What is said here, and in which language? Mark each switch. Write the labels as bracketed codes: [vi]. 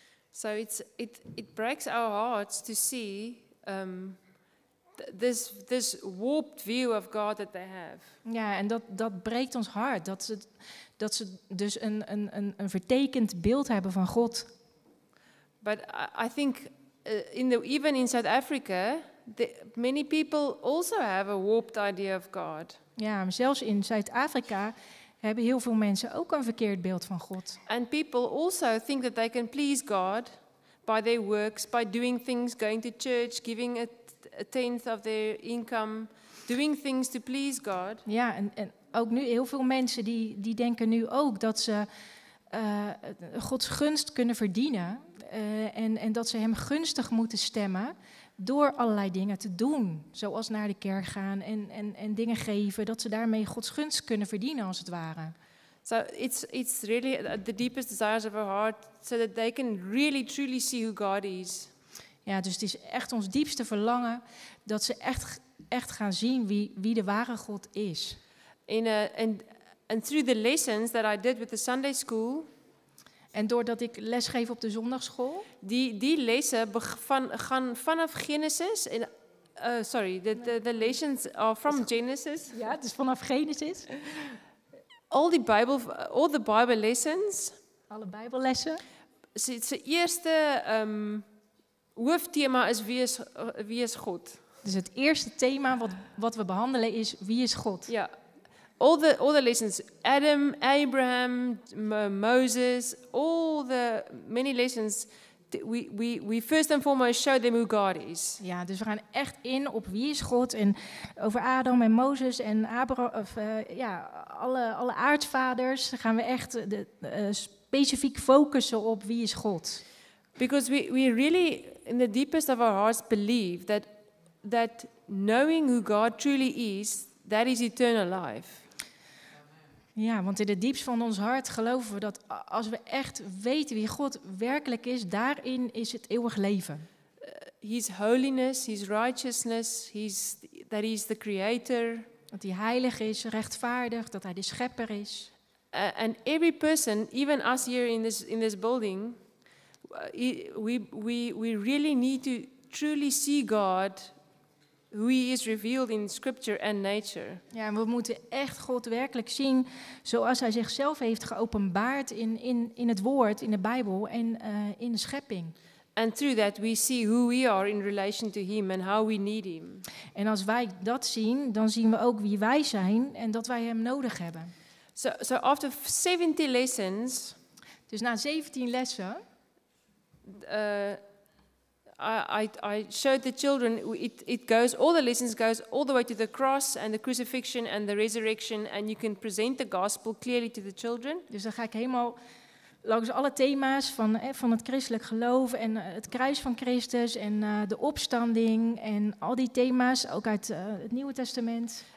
[en] So it breaks our hearts to see this warped view of God that they have. [nl] Ja, en dat breekt ons hart dat ze dus een vertekend beeld hebben van God. [en] But I think even in South Africa, many people also have a warped idea of God. [nl] Ja, maar zelfs in Zuid-Afrika hebben heel veel mensen ook een verkeerd beeld van God. [en] And people also think that they can please God by their works, by doing things, going to church, giving a tenth of their income, doing things to please God. [nl] Ja, en ook nu heel veel mensen die denken nu ook dat ze Gods gunst kunnen verdienen. En dat ze hem gunstig moeten stemmen door allerlei dingen te doen. Zoals naar de kerk gaan en dingen geven. Dat ze daarmee Gods gunst kunnen verdienen, als het ware. [en] So it's really the deepest desires of our heart, so that they can really truly see who God is. [nl] Ja, dus het is echt ons diepste verlangen dat ze echt gaan zien wie de ware God is. [en] And through the lessons that I did with the Sunday school. [nl] En doordat ik lesgeef op de zondagschool. Die lessen gaan vanaf Genesis. [en] The lessons are from Genesis. [nl] Ja, het is vanaf Genesis. [en] All the Bible lessons. [nl] Alle Bijbellessen. Zijn eerste hoofdthema is wie is God. Dus het eerste thema wat we behandelen is wie is God. Ja. [en] All the lessons, Adam, Abraham, Moses, all the many lessons, we first and foremost show them who God is. [nl] Ja, dus we gaan echt in op wie is God en over Adam en Moses en Abraham, alle aardvaders gaan we echt specifiek focussen op wie is God. [en] Because we really in the deepest of our hearts believe that knowing who God truly is, that is eternal life. [nl] Ja, want in het diepst van ons hart geloven we dat als we echt weten wie God werkelijk is, daarin is het eeuwig leven. [en] His holiness, his righteousness, that he is the creator. [nl] Dat hij heilig is, rechtvaardig, dat hij de schepper is. [en] And every person, even us here in this building, we really need to truly see God. Who he is revealed in scripture and nature. [nl] Ja, we moeten echt God werkelijk zien zoals hij zichzelf heeft geopenbaard in het woord, in de Bijbel en in de schepping. [en] And through that we see who we are in relation to him and how we need him. [nl] En als wij dat zien, dan zien we ook wie wij zijn en dat wij hem nodig hebben. [en] So after 70 lessons. [nl] Dus na 17 lessen. [en] I showed the children it goes, all the lessons goes all the way to the cross and the crucifixion and the resurrection, and you can present the gospel clearly to the children. [nl] Dus dan ga ik helemaal langs alle thema's van het christelijk geloof en het kruis van Christus en de opstanding en al die thema's ook uit het Nieuwe Testament.